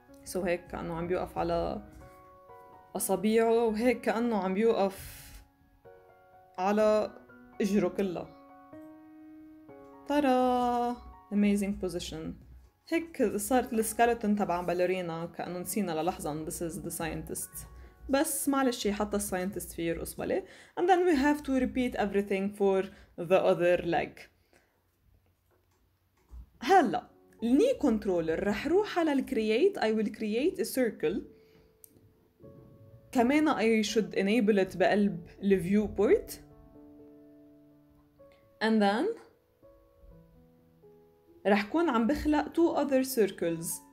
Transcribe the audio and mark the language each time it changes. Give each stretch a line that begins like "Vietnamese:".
Arabic: So هيك كأنه عم بيوقف على أصابيعه وهيك كأنه عم بيوقف على إجره كله. ترى
English: amazing position.
Arabic: هيك صارت السكالتون تبع باليرينا كأنه نسينا للحظة
English: this is the scientist.
Arabic: بس معلش حتى الساينتست فيه يرقص بالي.
English: And then we have to repeat everything for the other leg.
Arabic: هلا الني كنترولر رح روح على الكرييت.
English: I will create a circle. كمان I should enable it
Arabic: بقلب الفيوبورت.
English: And then
Arabic: رح كون عم بخلق
English: two other circles.